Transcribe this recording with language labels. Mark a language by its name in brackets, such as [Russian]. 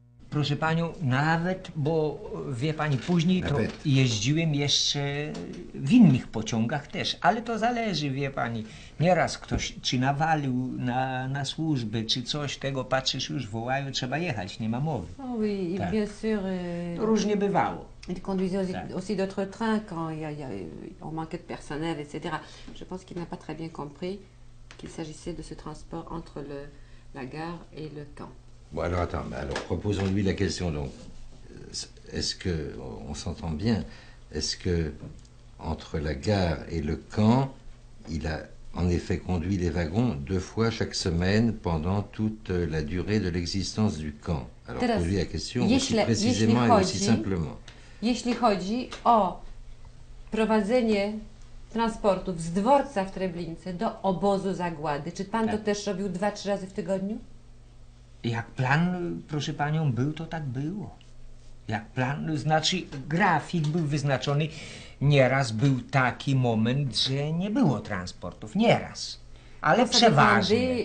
[Polish] Proszę panią, nawet, bo wie pani, później to jeździłem jeszcze w innych pociągach też, ale to zależy, wie pani, nieraz ktoś czy nawalił na służby, czy coś, tego patrzysz już, wołają, trzeba jechać, nie ma mowy. [French] Oh oui, tak. Bien sûr, [Polish] to różnie bywało. [French] Il conduisait aussi d'autres trains, quand on manquait de personnel, etc. Je pense qu'il n'a pas très bien compris qu'il s'agissait de ce transport entre la gare et le camp. Bon, alors attends, mais alors reposons-lui la question. Donc, est-ce que, on s'entend bien, est-ce que entre la gare et le camp, il a en effet conduit les wagons deux fois chaque semaine pendant toute la durée de l'existence du camp? Alors, pose-lui la question aussi précisément et aussi simplement. [Polish] Jeśli chodzi o prowadzenie transportów z dworca w Treblince do obozu zagłady, czy pan to też robił 2-3 razy w tygodniu? Jak plan, proszę panią, był, to tak było. Jak plan, znaczy grafik był wyznaczony, nieraz był taki moment, że nie było transportów, nieraz. Ale przeważnie.